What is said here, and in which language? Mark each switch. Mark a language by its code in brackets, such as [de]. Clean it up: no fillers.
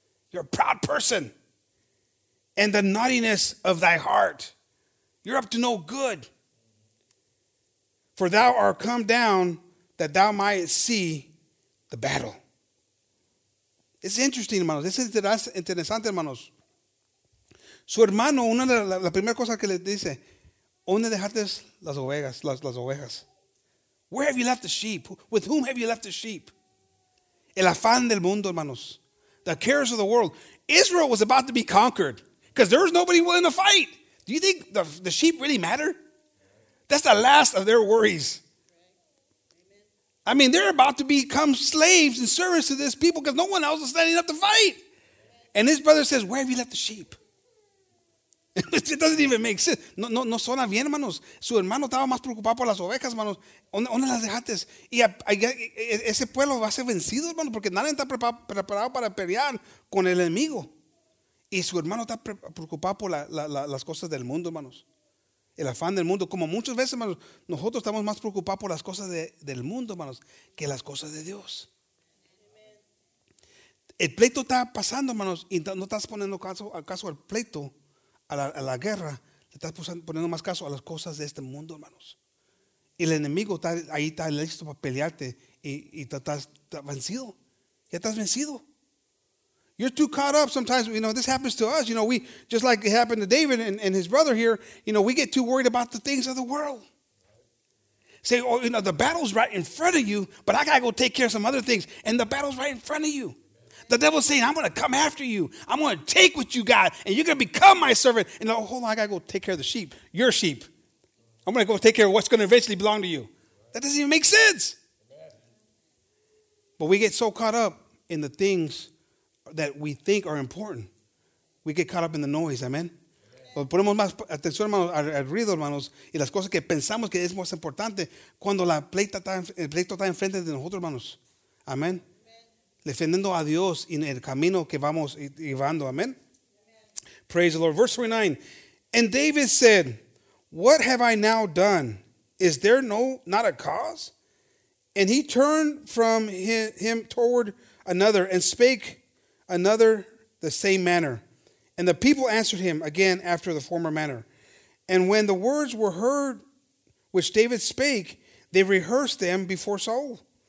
[en] You're a proud person. And the naughtiness of thy heart. You're up to no good. For thou art come down that thou mightest see the battle. It's interesting, hermanos. [es] Es interesante, hermanos. Su hermano, una de la primera cosa que le dice, ¿dónde dejaste las ovejas? Las ovejas. [en] Where have you left the sheep? With whom have you left the sheep? [es] El afán del mundo, hermanos. [en] The cares of the world. Israel was about to be conquered because there was nobody willing to fight. Do you think the sheep really matter? That's the last of their worries. I mean, they're about to become slaves and servants to this people because no one else is standing up to fight. And his brother says, where have you left the sheep? It doesn't even make sense. [es] No suena bien, hermanos. Su hermano estaba más preocupado por las ovejas, hermanos. ¿Dónde las dejaste? Y ese pueblo va a ser vencido, hermano, porque nadie está preparado para pelear con el enemigo. Y su hermano está preocupado por las cosas del mundo, hermanos. El afán del mundo. Como muchas veces, hermanos, nosotros estamos más preocupados por las cosas del mundo, hermanos, que las cosas de Dios. El pleito está pasando, hermanos, y no estás poniendo caso al pleito, a la guerra. Le estás poniendo más caso a las cosas de este mundo, hermanos. Y el enemigo está ahí, está listo para pelearte y estás vencido. Ya estás vencido. [en] You're too caught up sometimes. You know, this happens to us. You know, we, just like it happened to David and his brother here, you know, we get too worried about the things of the world. Say, oh, you know, the battle's right in front of you, but I got to go take care of some other things. And the battle's right in front of you. The devil's saying, I'm going to come after you. I'm going to take what you got, and you're going to become my servant. And you know, hold on, I got to go take care of the sheep, your sheep. I'm going to go take care of what's going to eventually belong to you. That doesn't even make sense. But we get so caught up in the things that we think are important. We get caught up in the noise, amen? [es] Ponemos más atención, hermanos, al ruido, hermanos, y las cosas que pensamos que es más importante cuando el pleito está enfrente de nosotros, hermanos. Amén. Defendiendo a Dios en el camino que vamos llevando, amén. [en] Praise the Lord. Verse 29. And David said, what have I now done? Is there not a cause? And he turned from him toward another and spake another the same manner. And the people answered him again after the former manner. And when the words were heard which David spake, they rehearsed them before Saul.